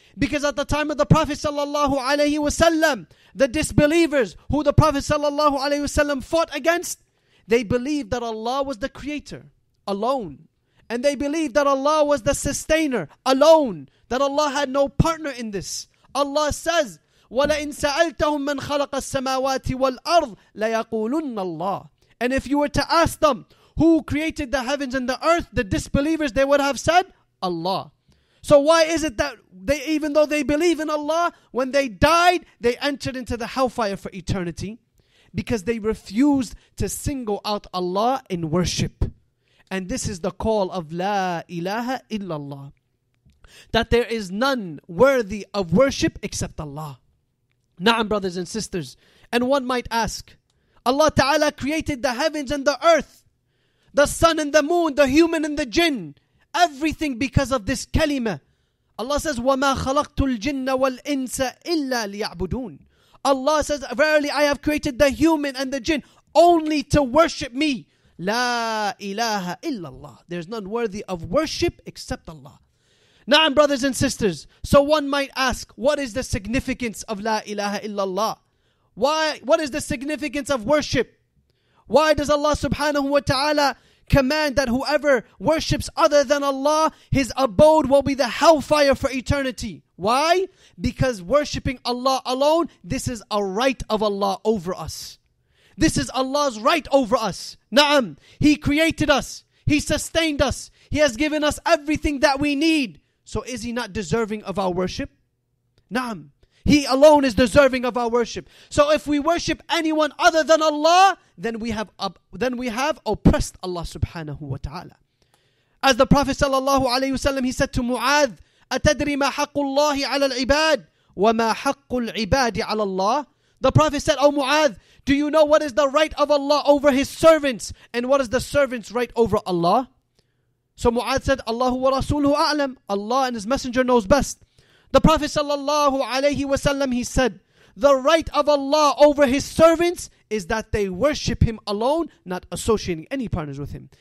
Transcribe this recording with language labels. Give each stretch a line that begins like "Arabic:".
English: Because at the time of the Prophet sallallahu alaihi wasallam, the disbelievers who the Prophet sallallahu alaihi wasallam fought against, they believed that Allah was the creator alone. And they believed that Allah was the sustainer alone. That Allah had no partner in this. Allah says,
Arabic: وَلَئِن سَأَلْتَهُمْ مَنْ خَلَقَ السَّمَاوَاتِ وَالْأَرْضِ لَيَقُولُنَّ اللَّهِ.
English: And if you were to ask them, who created the heavens and the earth, the disbelievers, they would have said, Allah. So why is it that they, even though they believe in Allah, when they died, they entered into the hellfire for eternity? Because they refused to single out Allah in worship. And this is the call of La ilaha illallah. That there is none worthy of worship except Allah. Na'am, brothers and sisters. And one might ask, Allah Ta'ala created the heavens and the earth, the sun and the moon, the human and the jinn, everything because of this kalima. Allah says,
Arabic: وَمَا خَلَقْتُ الْجِنَّ وَالْإِنسَ إِلَّا لِيَعْبُدُونَ.
English: Allah says, verily I have created the human and the jinn only to worship me. La ilaha illallah. There's none worthy of worship except Allah. Na'am, brothers and sisters. So one might ask, what is the significance of La ilaha illallah? Why? What is the significance of worship? Why does Allah subhanahu wa ta'ala command that whoever worships other than Allah, his abode will be the hellfire for eternity? Why? Because worshiping Allah alone, this is a right of Allah over us. This is Allah's right over us. Na'am. He created us. He sustained us. He has given us everything that we need. So is He not deserving of our worship? Na'am. He alone is deserving of our worship. So if we worship anyone other than Allah, then we have oppressed Allah subhanahu wa ta'ala. As the Prophet sallallahu alayhi wasallam, he said to Mu'adh,
Arabic: أَتَدْرِ مَا حَقُّ اللَّهِ عَلَى الْعِبَادِ وَمَا حَقُّ الْعِبَادِ عَلَى اللَّهِ.
English: The Prophet said, O Mu'adh, do you know what is the right of Allah over His servants? And what is the servant's right over Allah? So Mu'adh said,
Arabic: Allahu wa Rasuluhu a'lam.
English: Allah and His Messenger knows best. The Prophet sallallahu alayhi wasallam, he said, the right of Allah over His servants is that they worship Him alone, not associating any partners with Him.